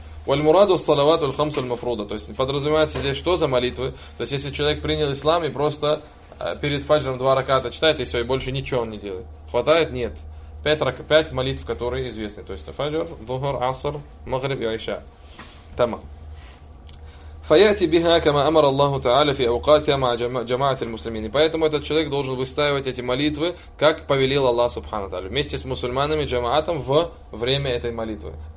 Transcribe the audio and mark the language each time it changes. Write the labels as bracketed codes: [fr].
[ar] Вальмураду ссалавату аль-хамсу аль-мафруда. [ru] То есть подразумевается здесь, что за молитвы? То есть если человек принял ислам и просто перед фаджром два раката читает, и все, и больше ничего он не делает. Хватает? Нет. Пять молитв, которые известны. То есть фаджр, дугур, аср, магриб и айша. [ar] Тамам. فياتي بها كما امر الله تعالى في اوقاتها مع جماعه المسلمين. [ru] Поэтому этот человек должен выстаивать эти молитвы, как повелел Аллах Субхана Тааля, вместе с мусульманами джамаатом во время этой молитвы.